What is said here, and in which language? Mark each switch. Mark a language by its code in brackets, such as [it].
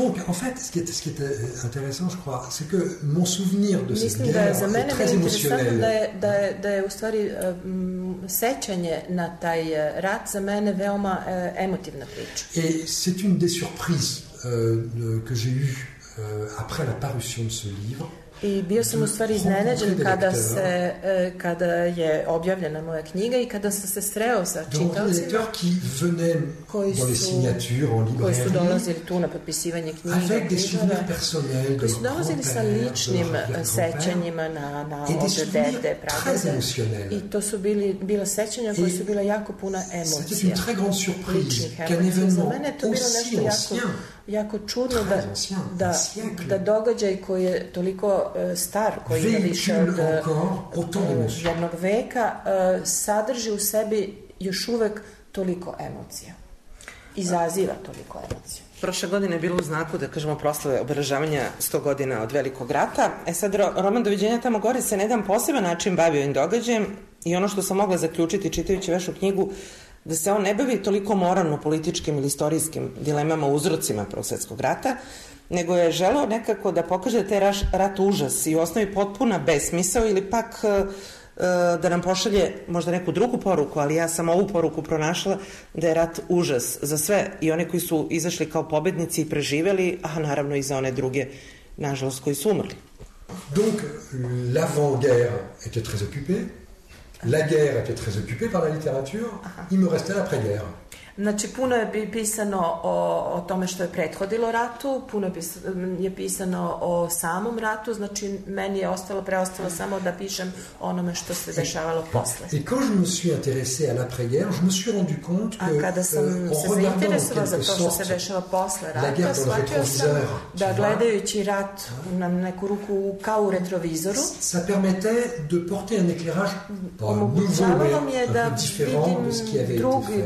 [fr] Donc, en fait, ce qui est intéressant, je crois, c'est que mon souvenir de cette guerre est très émotionnel. [sr] Mislim da je za mene interesantno da je u stvari sećanje na taj rat za mene veoma emotivna priča. [fr] Et c'est une des surprises que j'ai eues après la parution de ce livre. [sr] I bio sam u stvari iznenađen kada se kada je objavljena moja knjiga i kada sam se sreo sa čitaocima koji su dolazili tu na potpisivanje knjige, [fr] avec des souvenirs personnels, [sr] koji su dolazili sa ličnim sećanjima na ove dede, pravde, i to su bila sećanja koja su bila jako puna emocija, [fr] très grande surprise, qu'un événement aussi ancien, [sr] jako čudno da događaj koji je toliko star, koji je više od jednog veka, sadrži u sebi još uvek toliko emocija. Izaziva toliko emocija. Prošle godine je bilo u znaku, da kažemo, proslave obeležavanja 100 godina od Velikog rata. E sad, roman Doviđenja tamo gore se na jedan poseban način bavi ovim događajem i ono što sam mogla zaključiti čitajući vašu knjigu, da se on ne bavi toliko moralno-političkim ili istorijskim dilemama, uzrocima Prvog svetskog rata, nego je želeo nekako da pokaže da taj rat užas i u osnovi potpuna besmisao, ili pak da nam pošalje možda neku drugu poruku, ali ja sam ovu poruku pronašla, da je rat užas za sve, i one koji su izašli kao pobednici i preživeli, a naravno i za one druge, nažalost, koji su umrli. [fr] Donc, l'avant-guerre était très occupée. La guerre était très occupée par la littérature. Il me restait l'après-guerre. [sr] Znači, puno je pisano o tome što je prethodilo ratu, puno je pisano o samom ratu, znači meni je preostalo samo da pišem onome što se dešavalo posle. [fr] Et quand je me suis intéressé à l'après-guerre, je me suis rendu compte que [sr] kada sam se zainteresovao za to što se dešava posle rata, [fr] la guerre dans le rétroviseur, [sr] da gledajući rat na neku ruku kao u retrovizoru, [fr] ça permettait de porter un éclairage nouveau, un peu différent de ce qui avait été fait.